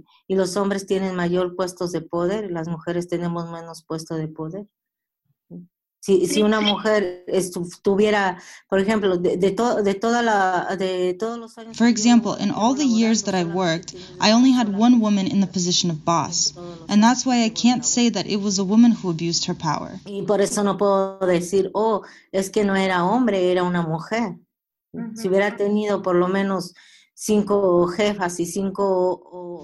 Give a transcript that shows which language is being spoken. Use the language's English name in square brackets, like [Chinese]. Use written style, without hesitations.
[Spanish] Y los hombres tienen mayor puestos de poder, las mujeres tenemos menos puestos de poder. Si una mujer estuviera, por ejemplo, de todos los años. [English] For example, in all the years that I worked, I only had one woman in the position of boss, and that's why I can't say that it was a woman who abused her power. [Spanish] Y por eso no puedo decir, oh, es que no era hombre, era una mujer. Mm-hmm. Si hubiera tenido por lo menos cinco jefas y cinco.